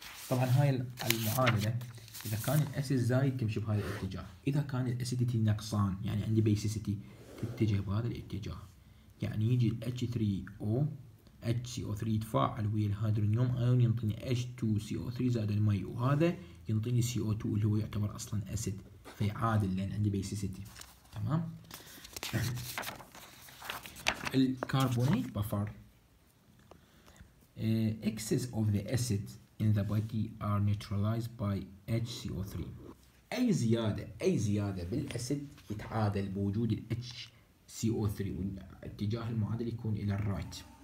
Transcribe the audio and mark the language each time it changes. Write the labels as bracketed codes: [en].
[ar] طبعا هاي المعادلة إذا كان الأسيد زايد تمشي بهذا الاتجاه، إذا كان الأسيدتي نقصان يعني عندي بيسيسيتي تتجه بهذا الاتجاه، يعني يجي H3O HCO3 يتفاعل ويا الهيدرونيوم أيون ينطيني H2CO3 زائد الماء، وهذا ينطيني CO2 اللي هو يعتبر أصلا أسيد في عادل لان عندي بيسيسيتي. تمام. الكربونيت بفر [en] excess of the acid in the body are neutralized by HCO3. [ar] اي زياده بالاسيد يتعادل بوجود ال HCO3، واتجاه المعادله يكون الى الرايت.